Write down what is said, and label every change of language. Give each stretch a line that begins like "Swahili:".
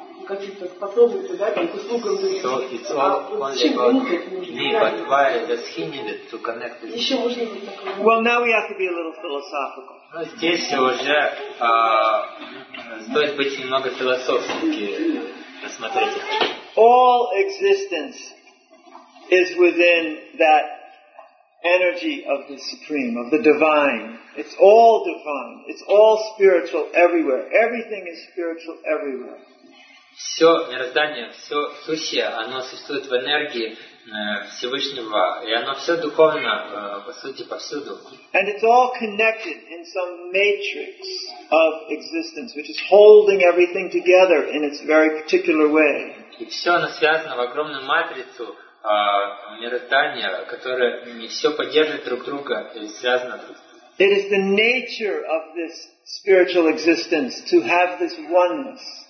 English: Well, now we have to be a little philosophical.
Russian: Здесь уже стоит быть немного философски посмотреть.
English: All existence is within that energy of the supreme, of the divine. It's all divine. It's all spiritual everywhere. Everything is spiritual everywhere.
Russian: Все мироздание, все сущее, оно существует в энергии Всевышнего, и оно все духовно, по сути, повсюду.
English: And it's all connected in some matrix of existence, which is holding everything together in its very particular way.
Russian: И все оно связано в огромную матрицу мироздания, которая не все поддерживает друг друга, и связано друг с другом.
English: It is the nature of this spiritual existence to have this oneness.